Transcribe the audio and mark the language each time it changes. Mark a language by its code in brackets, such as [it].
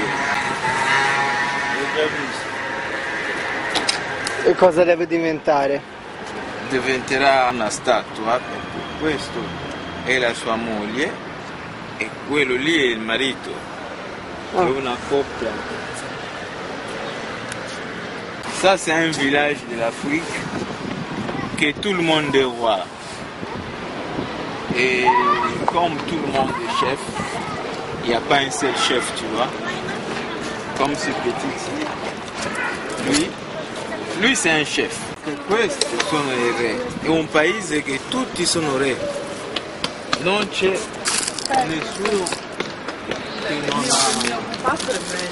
[it] L'ho già visto. E cosa deve diventare? Diventerà una statua. Questo è la sua moglie e quello lì è il marito. Oh. È una coppia. [fr] Ça c'est un village de l'Afrique que tout le monde est roi. Et comme tout le monde est chef, il n'y a pas un seul chef, tu vois. Comme ce petit-ci, lui c'est un chef. Et un pays que tout est honoré. [it] Non c'è nessuno che non ha.